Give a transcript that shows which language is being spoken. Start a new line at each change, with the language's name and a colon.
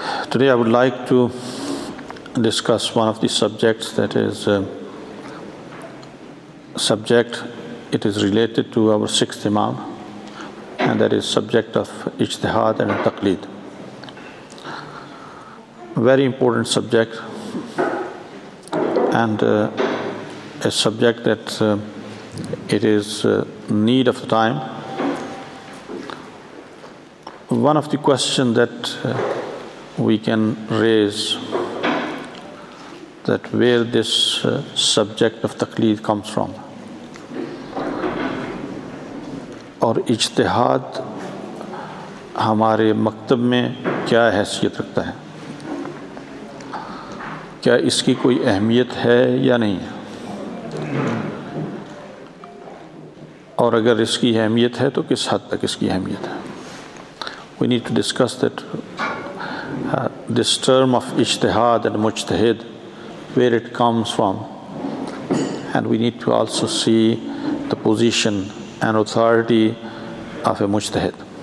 English: Today I would like to discuss one of the subjects that is subject, it is related to our sixth Imam, and that is subject of ijtihad and taqlid. Very important subject, and a subject that it is need of the time. One of the questions that we can raise, that where this subject of taqlid comes from,
Urdu: اور اجتہاد ہمارے مکتب میں کیا حیثیت رکھتا ہے، کیا اس کی کوئی اہمیت ہے یا نہیں، اور اگر اس کی اہمیت ہے تو کس حد تک اس کی اہمیت ہے.
English: We need to discuss that this term of اجتہاد and مجتہد, where it comes from, and we need to also see the position and authority of a mujtahid.